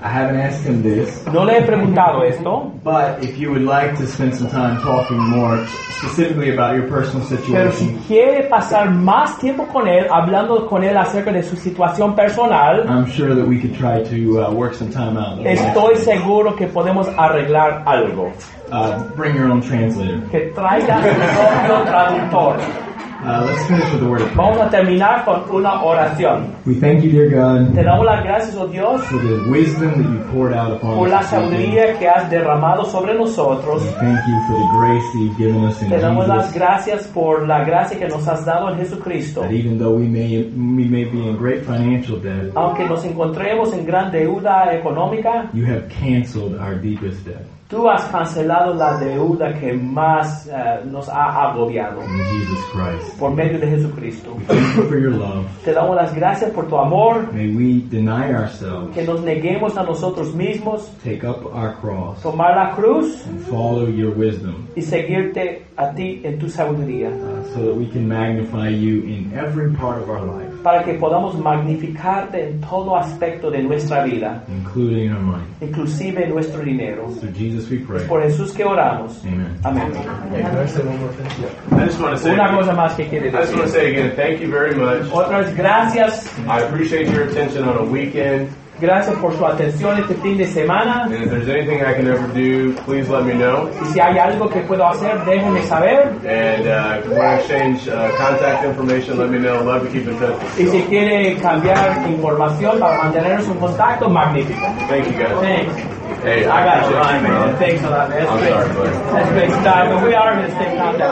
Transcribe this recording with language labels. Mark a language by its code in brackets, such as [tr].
[en] I haven't asked him this. [es] No le he preguntado esto. [en] But if you would like to spend some time talking more specifically about your personal situation. [es] Pero si quiere pasar más tiempo con él, hablando con él acerca de su situación personal. [en] I'm sure that we could try to work some time out. [es] Estoy seguro que podemos arreglar algo. [en] Bring your own translator. [es] Que traiga su propio traductor. [en] Let's finish with the word of prayer. [es] Vamos a terminar con una oración. [en] We thank you, dear God. [es] Te damos las gracias, oh Dios, [en] for the wisdom that you poured out upon us. [es] Por la sabiduría que has derramado sobre nosotros. [en] We thank you for the grace that you've given us in Jesus. [es] Te damos las gracias por la gracia que nos has dado en Jesucristo. [en] That even though we may be in great financial debt, [es] aunque nos encontremos en gran deuda económica, [en] you have canceled our deepest debt. [es] Tú has cancelado la deuda que más nos ha agobiado. [en] In Jesus Christ. [es] Por medio de Jesucristo. [en] Thank you for your love. [es] Te damos las gracias por tu amor. [en] May we deny ourselves. [es] Que nos neguemos a nosotros mismos. [en] Take up our cross. [es] Tomar la cruz. [en] And follow your wisdom. [es] Y seguirte a ti en tu sabiduría. [en] So that we can magnify you in every part of our life. [es] Para que podamos magnificarte en todo aspecto de nuestra vida. [en] Including our money. [es] Inclusive nuestro dinero. [en] So Jesus we pray. [es] Es por Jesús que oramos. [en] Amen. [es] Amen. [en] I just want to say [es] una cosa más que quiere decir. [en] I just want to say again, thank you very much. [es] Otras gracias. [en] I appreciate your attention on a weekend. [es] Gracias por su atención este fin de semana. [en] And if there's anything I can ever do, please let me know. [es] Y si hay algo que puedo hacer, déjenme saber. [en] And if you want to exchange contact information, let me know. I'd love to keep in touch. [es] Y si quiere cambiar información para mantenernos en contacto, magnífico. [en] Thank you, guys. Thanks. Hey, I gotta run, man. Thanks a lot, man. I'm sorry, buddy. That's a big time, but we are gonna stay in contact.